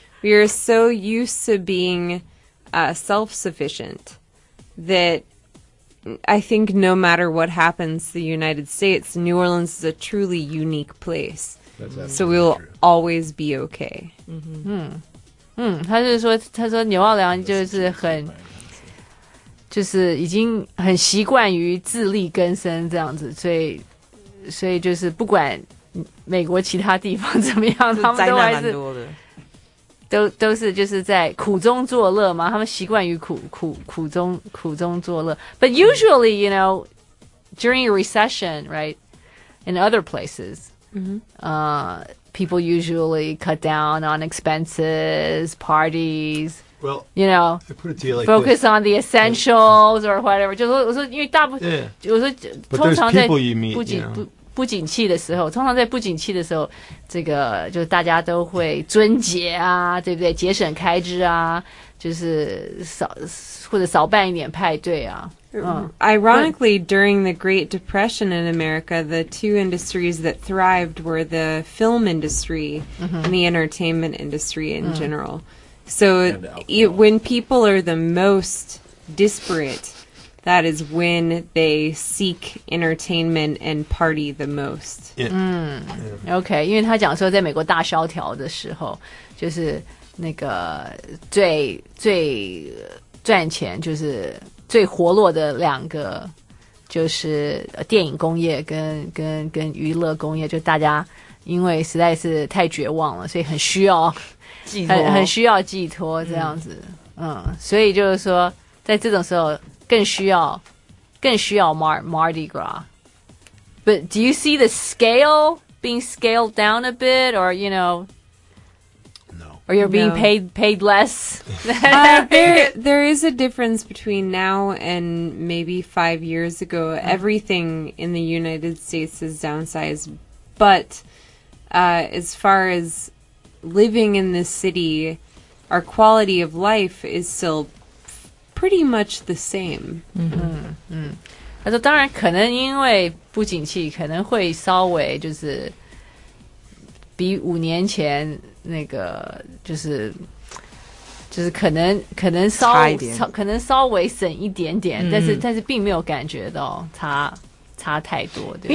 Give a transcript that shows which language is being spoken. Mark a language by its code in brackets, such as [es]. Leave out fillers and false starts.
[en] We are so used to being、self-sufficient that. I think no matter what happens to the United States, New Orleans is a truly unique place. So we'll always be okay. [zh] 嗯哼，嗯，他说牛奥良就是很，就是已经很习惯于自力更生这样子，所以就是不管美国其他地方怎么样，他们都还是灾难蛮多的，都是就是在苦中作乐嘛，他们习惯于苦中作乐。 [en] But usually, you know, during a recession, right, in other places, people usually cut down on expenses, parties. Well, you know, I put it to you like focus this. On the essentials or whatever. [zh] 就是因为大部分，我说通常在不景 you [en] know. [zh] 不景气的时候，通常在不景气的时候，这个就是大家都会尊节啊，对不对？节省开支啊，就是少或者少办一点派对啊。 [en] Ironically, during the Great Depression in America, the two industries that thrived were the film industry and the entertainment industry in general. So when people are the most disparate, that is when they seek entertainment and party the most. [zh] Okay, 因为他讲说在美国大萧条的时候，就是那个最赚钱就是最活络的两个就是电影工业跟娱乐工业，就大家因为实在是太绝望了，所以很需要寄托，很需要寄托这样子。所以就是说在这种时候更需要 Mardi Gras。 [en] But do you see the scale being scaled down a bit, or you know,Or you're being paid less? there is a difference between now and maybe 5 years ago. Everything in the United States is downsized. But as far as living in this city, our quality of life is still pretty much the same. [zh] 他说当然可能因为不景气可能会稍微就是比五年前那个就是可能稍微省一点点，但是并没有感觉到差太多，对不对？